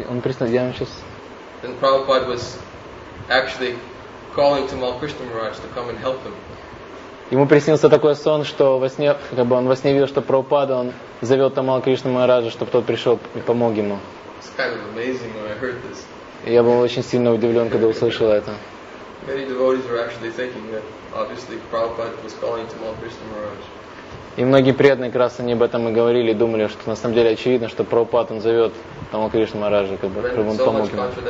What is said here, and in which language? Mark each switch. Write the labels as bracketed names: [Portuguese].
[English] Then Prabhupada was actually calling Tamal Krishna Maharaj to come and help him. [Russian] Ему приснился такой сон, что во сне, как бы он во сне видел, что Прабхупада, он зовет Тамал Кришна Махараджа, чтобы тот пришел и помог ему. [English] It's kind of amazing when I heard this. [Russian] Я был очень сильно удивлен, когда услышал это. [English] Many devotees were actually thinking that obviously Prabhupada was calling Tamal Krishna Maharaj. [Russian] И многие преданные, как раз они об этом и говорили, думали, что на самом деле очевидно, что Прабхупад, он зовет Тамал Кришна Махараджа, как бы, чтобы он помог ему.